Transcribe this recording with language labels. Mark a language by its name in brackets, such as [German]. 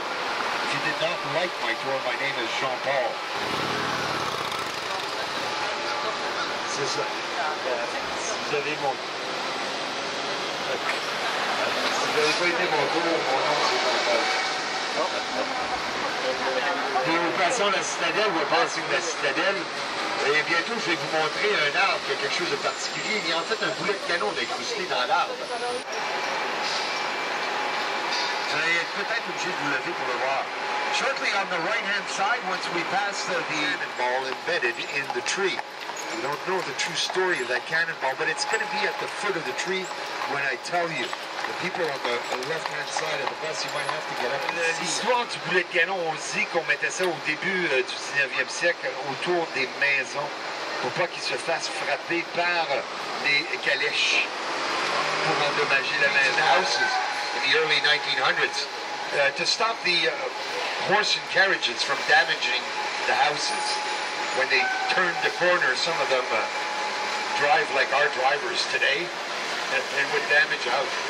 [English] If you did not like my tour, my name is Jean-Paul. [French] Nous passons la citadelle, [English] we're passing [French] la citadelle, et bientôt je vais vous montrer un arbre qui a quelque chose de particulier. Il y a en fait un boulet de canon incrusté dans l'arbre. Vous allez être peut-être obligé de vous lever pour le voir. [English] Shortly on the right-hand side, once we pass the cannonball embedded in the tree. We don't know the true story of that cannonball, but it's going to be at the foot of the tree when I tell you. The people on the left-hand side of the bus, you might have to get up and see. [French] L'histoire du boulet de canon, on dit qu'on mettait ça au début du 19e siècle autour des maisons pour pas qu'ils se fassent frapper par les calèches pour endommager la maison. [English] Houses in the early 1900s to stop the horse and carriages from damaging the houses. When they turn the corner, some of them drive like our drivers today and would damage a house.